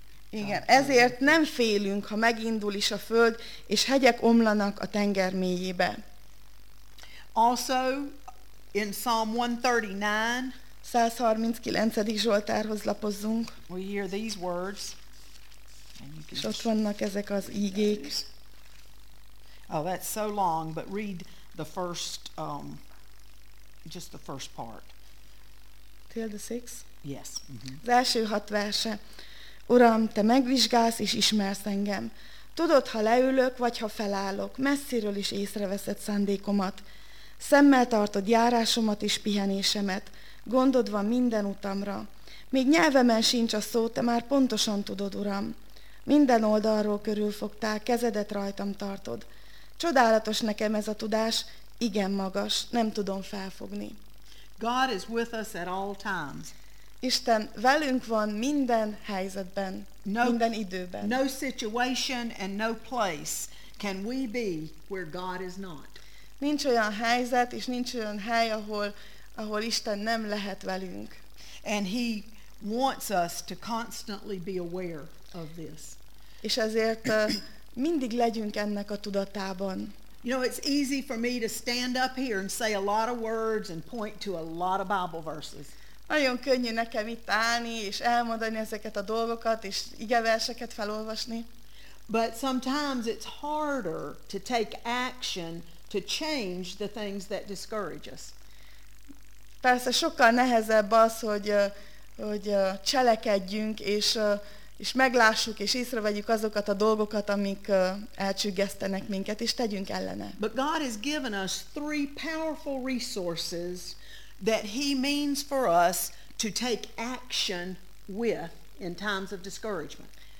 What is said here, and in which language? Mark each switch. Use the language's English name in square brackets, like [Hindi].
[Hungarian] Igen, ezért nem félünk, ha megindul is a föld, és hegyek omlanak a tenger mélyébe. [English] Also in Psalm 139, [Hungarian] 139. Zsoltárhoz lapozzunk. [English] We hear these words. [Hungarian] És ott vannak ezek az ígék. [English] Oh, that's so long, but read the first, just the first part. Till the 6? Yes. Mm-hmm. [Hungarian] Az első 6 verse. Uram, te megvizsgálsz és ismersz engem. Tudod, ha leülök, vagy ha felállok, messziről is észreveszed szándékomat. Szemmel tartod járásomat és pihenésemet. Gondod van minden utamra. Még nyelvemen sincs a szó, te már pontosan tudod, Uram. Minden oldalról körülfogtál, kezedet rajtam tartod. Csodálatos nekem ez a tudás, igen magas, nem tudom felfogni. [English] God is with us at all times. [Hungarian] Isten velünk van minden helyzetben, no, minden időben. [English] No situation and no place can we be where God is not. [Hungarian] Nincs olyan helyzet és nincs olyan hely, ahol Isten nem lehet velünk. [English] And he wants us to constantly be aware of this. [Hungarian] És ezért mindig legyünk ennek a tudatában. [English] You know, it's easy for me to stand up here and say a lot of words and point to a lot of Bible verses. [Hungarian] Nagyon könnyű nekem itt állni és elmondani ezeket a dolgokat és igeverseket felolvasni. [English] But sometimes it's harder to take action to change the things that discourage us. [Hungarian] Persze sokkal nehezebb az, hogy cselekedjünk és meglássuk és észrevegyük azokat a dolgokat, amik elcsüggesztenek minket, és tegyünk ellene. [English] But God has given us three powerful resources that he means for us to take action with in times of discouragement.